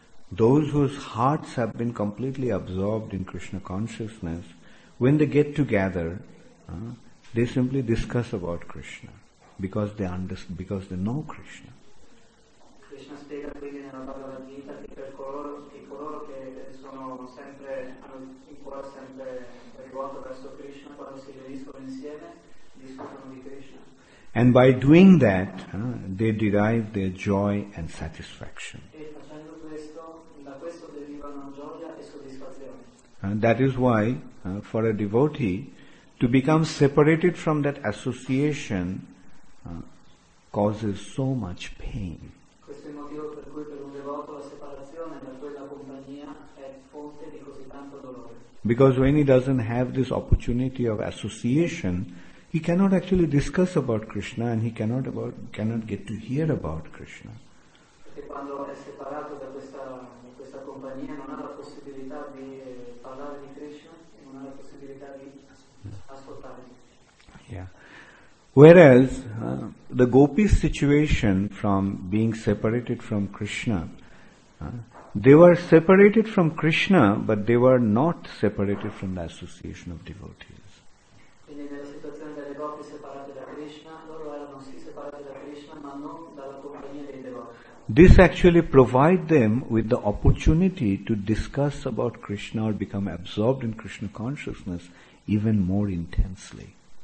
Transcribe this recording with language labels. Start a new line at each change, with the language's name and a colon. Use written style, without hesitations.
English: Those whose hearts have been completely absorbed in Krishna consciousness, when they get together, they simply discuss about Krishna. Because they understand, because they know Krishna.
Italian: Krishna spiega quindi nella Bhagavad Gita che per coloro che sono sempre in cuore sempre rivolto verso Krishna, quando si riuniscono insieme, discutono di Krishna.
English: And by doing that, they derive their joy and satisfaction.
Italian: E facendo questo, da questo derivano gioia e soddisfazione.
English: And that is why, for a devotee, to become separated from that association. Causes so much pain.
Italian: Questo è il motivo per cui per un devoto la separazione da quella compagnia è fonte di così tanto dolore.
English: Because when he doesn't have this opportunity of association, he cannot actually discuss about Krishna and he cannot get to hear about Krishna.
Italian: Perché quando è separato da questa compagnia non ha la possibilità di parlare di Krishna e non ha la possibilità di ascoltare. Yeah.
English: Whereas the gopis' situation from being separated from Krishna, they were separated from Krishna, but they were not separated from the association of devotees.
Italian: Quindi nella situazione delle gopi separate da Krishna, loro erano sì separate da Krishna, ma non dalla compagnia dei devoti.
English: This actually provide them with the opportunity to discuss about Krishna or become absorbed in Krishna consciousness even more intensely.